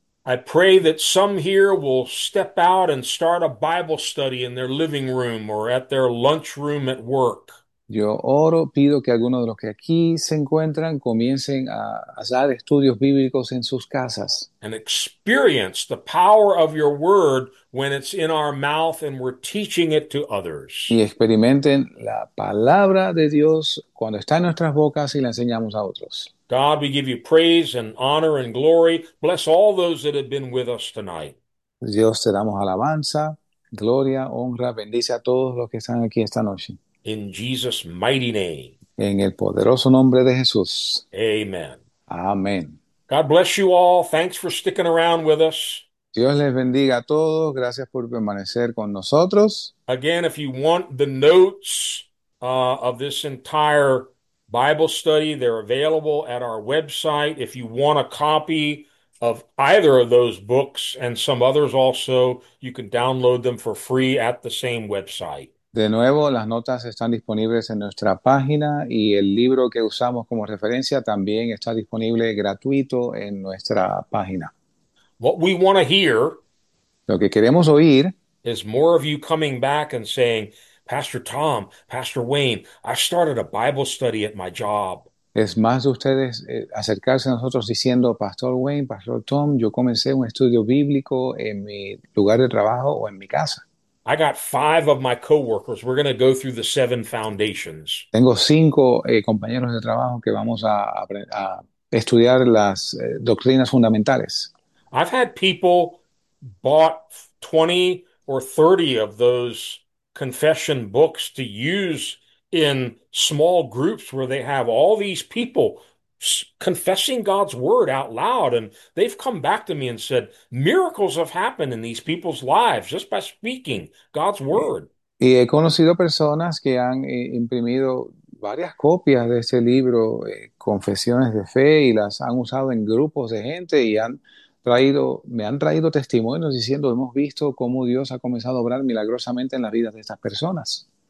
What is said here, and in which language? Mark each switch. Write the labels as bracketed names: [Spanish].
[English] I pray that some here will step out and start a Bible study in their living room or at their lunch room at work. [Spanish] Yo oro, pido que algunos de los que aquí se encuentran comiencen a hacer estudios bíblicos en sus casas. [English] And experience the power of your word when it's in our mouth and we're teaching it to [Spanish] Y [English] others. [Spanish] experimenten la palabra de Dios cuando está en nuestras bocas y la enseñamos a otros. [English] God, we give you praise and honor and glory. Bless all those that have been with us tonight. [Spanish] Dios, te damos alabanza, gloria, honra, bendice a todos los que están aquí esta noche. [English] In Jesus' mighty name. [Spanish] En el poderoso nombre de Jesús. [English] Amen. [Spanish] Amén. [English] God bless you all. Thanks for sticking around with us. [Spanish] Dios les bendiga a todos. Gracias por permanecer con nosotros. [English] Again, if you want the notes of this entire Bible study, they're available at our website. If you want a copy of either of those books and some others also, you can download them for free at the same website. [Spanish] De nuevo, las notas están disponibles en nuestra página y el libro que usamos como referencia también está disponible gratuito en nuestra página. [English] What we want to hear [Spanish] Lo que queremos oír [English] is more of you coming back and saying, Pastor Tom, Pastor Wayne, I started a Bible study at my job. [Spanish] es más de ustedes acercarse a nosotros diciendo, Pastor Wayne, Pastor Tom, yo comencé un estudio bíblico en mi lugar de trabajo o en mi casa. [English] I got five of my coworkers. We're going to go through the seven foundations. [Spanish] Tengo cinco compañeros de trabajo que vamos a estudiar las doctrinas fundamentales. [English] I've had people bought 20 or 30 of those confession books to use in small groups where they have all these people confessing God's word out loud. And they've come back to me and said, miracles have happened in these people's lives just by speaking God's word. [Spanish] Y he conocido personas que han imprimido varias copias de este libro, Confesiones de Fe, y las han usado en grupos de gente y me han traído testimonios diciendo, hemos visto cómo Dios ha comenzado a obrar milagrosamente en las vidas de estas personas.